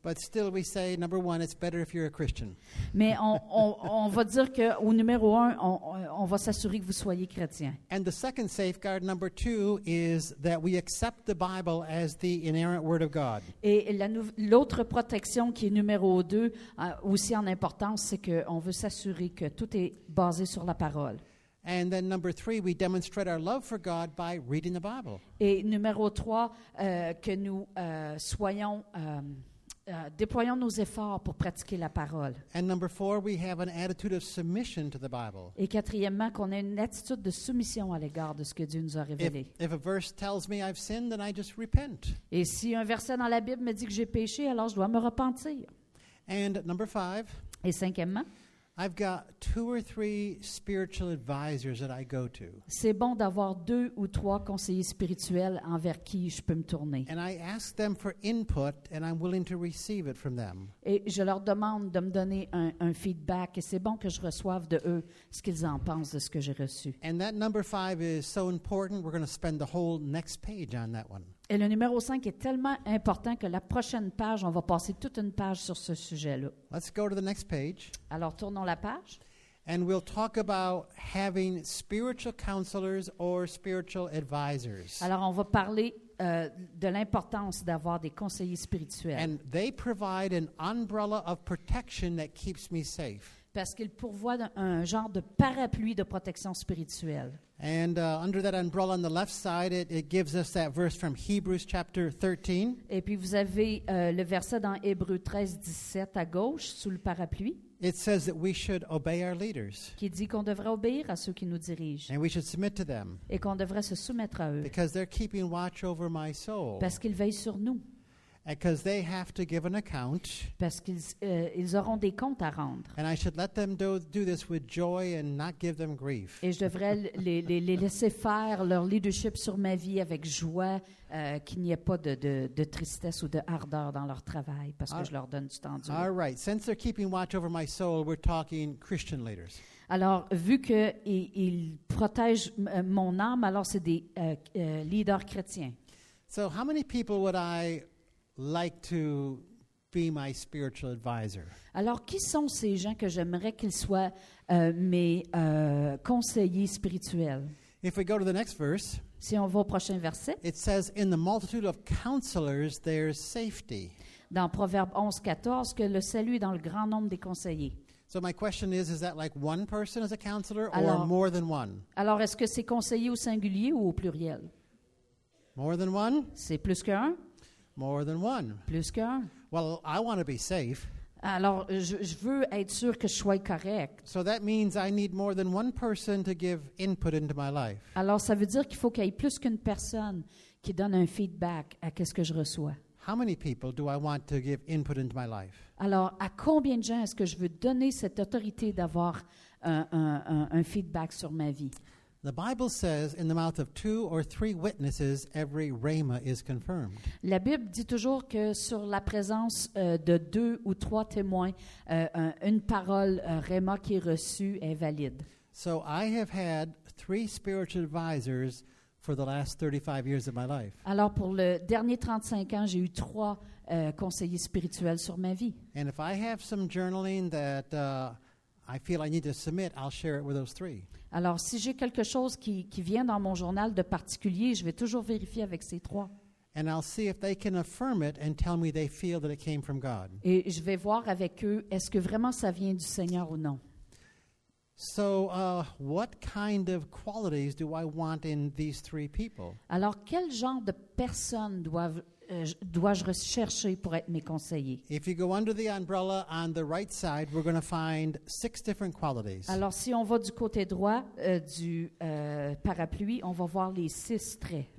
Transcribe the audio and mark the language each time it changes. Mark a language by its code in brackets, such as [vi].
[en] But still we say, number one, it's better if you're a Christian. [fr] Mais on va dire qu'au numéro un, on va s'assurer que vous soyez chrétien. [en] And the second safeguard, number two, is that we accept the Bible as the inerrant word of God. [fr] Et l'autre protection qui est numéro deux, aussi en importance, c'est qu'on veut s'assurer que tout est basé sur la parole. [en] And then number three, we demonstrate our love for God by reading the Bible. [fr] Et numéro trois, que nous soyons déployons nos efforts pour pratiquer la parole. [en] And number four, we have an attitude of submission to the Bible. [fr] Et quatrièmement, qu'on ait une attitude de soumission à l'égard de ce que Dieu nous a révélé. [en] If a verse tells me I've sinned, then I just repent. [fr] Et si un verset dans la Bible me dit que j'ai péché, alors je dois me repentir. [en] And number five, [fr] et cinquièmement, [en] I've got two or three spiritual advisors that I go to. [fr] C'est bon d'avoir deux ou trois conseillers spirituels envers qui je peux me tourner. [en] And I ask them for input, and I'm willing to receive it from them. [fr] Et je leur demande de me donner un feedback, et c'est bon que je reçoive de eux ce qu'ils en pensent de ce que j'ai reçu. [en] And that number five is so important, we're going to spend the whole next page on that one. [fr] Et le numéro 5 est tellement important que la prochaine page, on va passer toute une page sur ce sujet-là. [en] Let's go to the next page. [fr] Alors, tournons la page. [en] And we'll talk about having spiritual counselors or spiritual advisors. [fr] Alors, on va parler de l'importance d'avoir des conseillers spirituels. [en] And they provide an umbrella of protection that keeps me safe. [fr] Parce qu'ils pourvoient un genre de parapluie de protection spirituelle. [en] And under that umbrella on the left side, it gives us that verse from Hebrews chapter 13. [fr] Et puis vous avez le verset dans Hébreux 13, 17 à gauche, sous le parapluie. [en] It says that we should obey our leaders. [fr] Qui dit qu'on devrait obéir à ceux qui nous dirigent. [en] And we should submit to them. [fr] Et qu'on devrait se soumettre à eux. [en] Because they're keeping watch over my soul. [fr] Parce qu'ils veillent sur nous. [en] Because they have to give an account. [fr] Parce qu'ils ils auront des comptes à rendre. [en] And I should let them do this with joy and not give them grief. [fr] Et je devrais les laisser faire leur leadership sur ma vie avec joie, qu'il n'y ait pas de tristesse ou de ardeur dans leur travail parce que je leur donne du temps. [en] All right. Since they're keeping watch over my soul, we're talking Christian leaders. [fr] Alors, vu qu'ils protègent mon âme, alors c'est des leaders chrétiens. [en] So how many people would I like to be my spiritual advisor? [fr] Alors, qui sont ces gens que j'aimerais qu'ils soient mes conseillers spirituels? [en] If we go to the next verse, [fr] si on va au prochain verset, [en] it says, in the multitude of counselors, there's safety. [fr] Dans Proverbes 11, 14, que le salut est dans le grand nombre des conseillers. [en] So my question is that like one person as a counselor or more than one? [fr] Alors, est-ce que c'est conseiller au singulier ou au pluriel? [en] More than one? [fr] C'est plus qu'un? [en] More than one. [fr] Plus qu'un. [en] Well, I want to be safe. [fr] Alors, je veux être sûr que je sois correct. [en] So that means I need more than one person to give input into my life. [fr] Alors, ça veut dire qu'il faut qu'il y ait plus qu'une personne qui donne un feedback à qu'est-ce que je reçois. [en] How many people do I want to give input into my life? [fr] Alors, à combien de gens est-ce que je veux donner cette autorité d'avoir un feedback sur ma vie? [en] The Bible says, in the mouth of two or three witnesses, every rhema is confirmed. [fr] La Bible dit toujours que sur la présence de deux ou trois témoins, une parole rhema qui est reçue est valide. [en] So I have had three spiritual advisors for the last 35 years of my life. [fr] Alors pour le dernier 35 ans, j'ai eu trois conseillers spirituels sur ma vie. [en] And if I have some journaling that I feel I need to submit, I'll share it with those three. [fr] Alors, si j'ai quelque chose qui vient dans mon journal de particulier, je vais toujours vérifier avec ces trois. [en] And I'll see if they can affirm it and tell me they feel that it came from God. [fr] Et je vais voir avec eux, est-ce que vraiment ça vient du Seigneur ou non. [en] So, what kind of qualities do I want in these three people? [fr] Alors, quel genre de personnes dois-je rechercher pour être mes conseillers? [en] If you go under the umbrella on the right side, we're going to find six different qualities. [fr] Alors, si on va du côté droit du parapluie, on va voir les six traits.